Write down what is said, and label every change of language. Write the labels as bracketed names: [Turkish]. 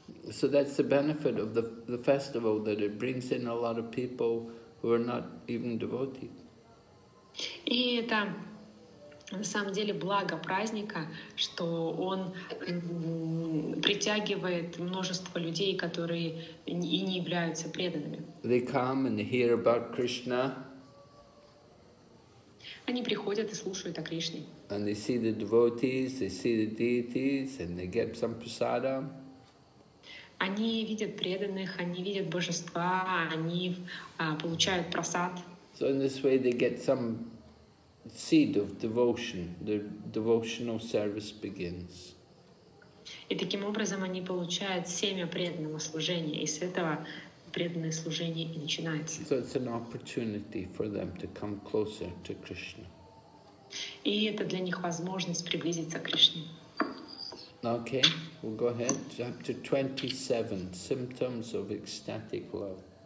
[English] So that's the benefit of the festival, that it brings in a lot of people who are not even devotees. [Russian] И это на самом деле благо праздника, что он притягивает множество людей, которые и не являются преданными. [English] They come and hear about Krishna. [Russian] Они приходят и слушают о Кришне. [English] And they see the devotees, they see the deities, and they get some prasada. [Russian] Они видят преданных, они видят божества, они получают прасад. [English] So in this way they get some seed of devotion, the devotional service begins. [Russian] И таким образом они получают семя преданного служения, и с этого преданное служение и начинается. [English] So it's an opportunity for them to come closer to Krishna. [Russian] И это для них возможность приблизиться к Кришне. [English] Okay, we'll go ahead. Chapter 27, Symptoms of Ecstatic Love.